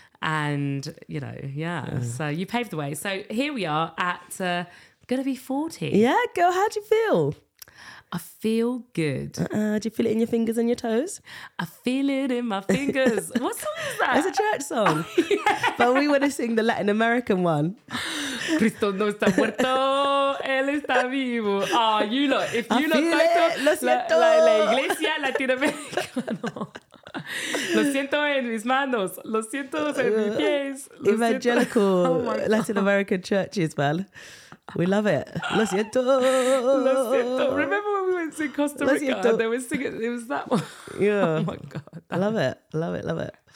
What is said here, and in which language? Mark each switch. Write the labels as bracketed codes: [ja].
[en] And, you know, so you paved the way. So here we are at going to be 40. Yeah, girl, how do you feel? I feel good. Do you feel it in your fingers and your toes? I feel it in my fingers. What song is that? It's a church song. But we want to sing the Latin American one. [es] Cristo no está muerto, él está vivo. [en] Ah, oh, you lot. If you look like [es] it, lo siento. La iglesia latinoamericana. Lo siento en mis manos. Lo siento en mis pies. [en] Evangelical Latin American churches, man. We love it. [es] Lo siento. Lo siento. [en] Remember when we went to Costa Rica and they were singing, it was that one. Yeah. Oh my God. Love it. Love it. Love it.